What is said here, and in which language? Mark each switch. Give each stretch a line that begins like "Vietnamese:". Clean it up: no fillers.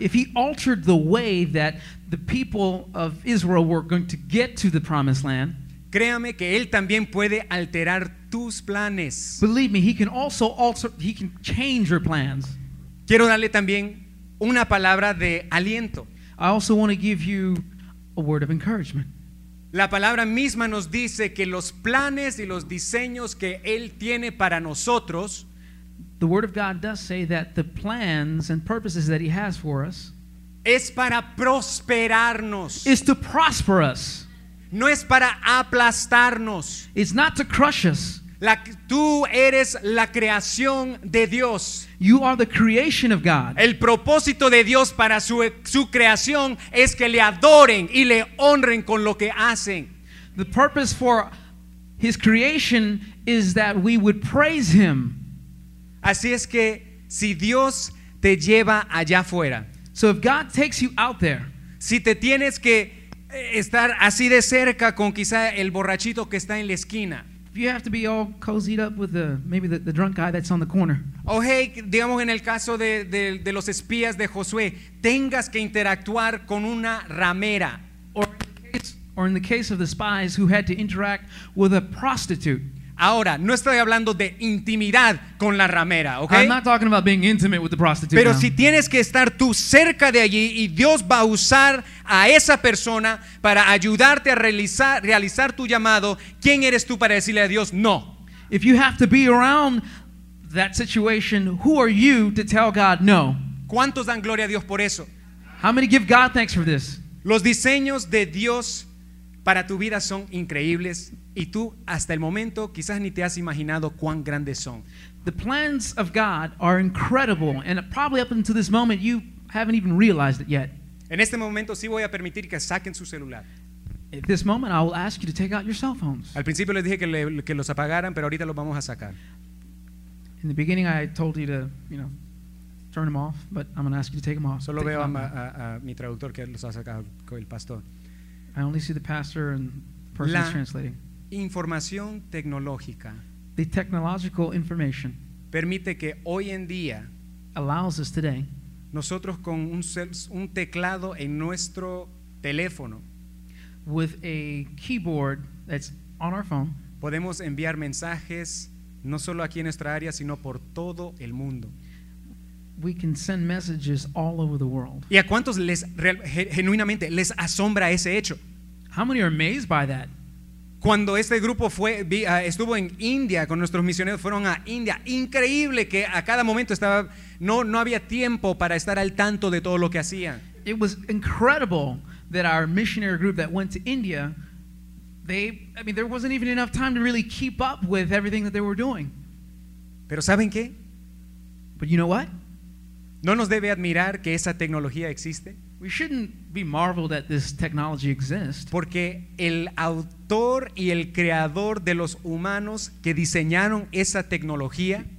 English: If he altered the way that the people of Israel were going to get to the promised land.
Spanish: Créame que él también puede alterar tus planes.
English: Believe me, he can also alter, he can change your plans.
Spanish: Quiero darle también una palabra de aliento.
English: I also want to give you a word of encouragement.
Spanish: La palabra misma nos dice que los planes y los diseños que Él tiene para nosotros,
English: the word of God does say that the plans and purposes that He has for us,
Spanish: es para prosperarnos.
English: Is to prosper us.
Spanish: No es para aplastarnos.
English: It's not to crush us.
Spanish: Tú eres la creación de Dios.
English: You are the creation of God.
Spanish: El propósito de Dios para su creación es que le adoren y le honren con lo que hacen.
English: The purpose for his creation is that we would praise him.
Spanish: Así es que si Dios te lleva allá afuera,
English: so if God takes you out there,
Spanish: si te tienes que estar así de cerca con quizá el borrachito que está en la esquina,
English: if you have to be all cozied up with maybe the drunk guy that's on the corner.
Spanish: Oh, hey, digamos en el caso de los espías de Josué, tengas que interactuar con una ramera.
English: Or in the case of the spies who had to interact with a prostitute.
Spanish: Ahora, no estoy hablando de intimidad con la ramera, okay?
English: I'm not talking about being intimate with the prostitute.
Spanish: Pero si tienes que estar tú cerca de allí y Dios va a usar a esa persona para ayudarte a realizar tu llamado, ¿quién eres tú para decirle a Dios no?
English: If you have to be around that situation, who are you to tell God no?
Spanish: ¿Cuántos dan gloria a Dios por eso?
English: How many give God thanks for this?
Spanish: Los diseños de Dios para tu vida son increíbles. Y tú, hasta el momento, quizás ni te has imaginado cuán grandes son.
English: The plans of God are incredible, and probably up until this moment you haven't even realized it yet.
Spanish: En este momento sí voy a permitir que saquen su celular.
English: At this moment I will ask you to take out your cell phones.
Spanish: Al principio les dije que los apagaran, pero ahorita los vamos a sacar.
English: In the beginning I told you to, you know, turn them off, but I'm going to ask you to take them off.
Spanish: Solo veo a mi traductor que los ha sacado con el pastor.
English: I only see the pastor and the person who's translating.
Spanish: Información tecnológica.
English: The technological information
Spanish: permite que hoy en día
English: allows us today
Spanish: nosotros con un teclado en nuestro teléfono
English: with a keyboard that's on our phone
Spanish: podemos enviar mensajes no solo aquí en nuestra área sino por todo el mundo.
English: We can send messages all over the world.
Spanish: ¿Y a cuántos les genuinamente les asombra ese hecho?
English: How many are amazed by that?
Spanish: Cuando este grupo estuvo en India, con nuestros misioneros fueron a India. Increíble que a cada momento estaba no había tiempo para estar al tanto de todo lo que hacían.
English: It was incredible that our missionary group that went to India, there wasn't even enough time to really keep up with everything that they were doing.
Spanish: Pero ¿saben qué?
English: But you know what?
Spanish: No nos debe admirar que esa tecnología existe.
English: We shouldn't be marveled at this technology exists.
Spanish: Porque el autor y el creador de los humanos que diseñaron esa tecnología,